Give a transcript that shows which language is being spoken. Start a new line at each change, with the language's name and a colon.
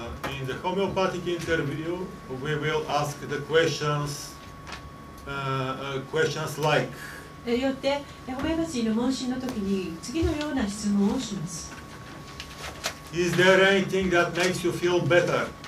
English: In the homeopathic interview, we will ask the questions, questions like.
Japanese: よって、ホメオパシーの問診の時に次のような質問をします。
English: Is there anything that makes you feel better?